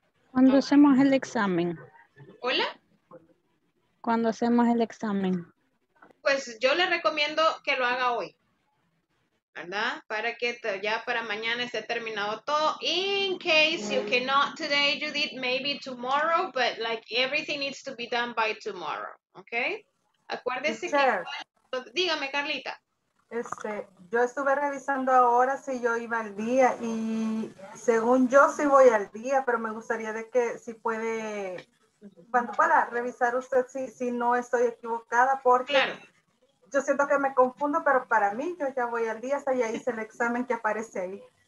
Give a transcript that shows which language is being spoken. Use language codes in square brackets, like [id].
[es] ¿Cuándo hacemos el examen? ¿Hola? ¿Cuándo hacemos el examen? Pues yo le recomiendo que lo haga hoy, ¿verdad? Para que ya para mañana esté terminado todo. [en] In case you cannot today, Judith, maybe tomorrow, but like everything needs to be done by tomorrow, ¿ok? [es] Acuérdese que... Dígame, Carlita. Yo estuve revisando ahora si yo iba al día y según yo sí voy al día, pero me gustaría de que si puede, cuando pueda, revisar usted si no estoy equivocada, porque claro, yo siento que me confundo, pero para mí yo ya voy al día, hasta ya hice el examen que aparece ahí.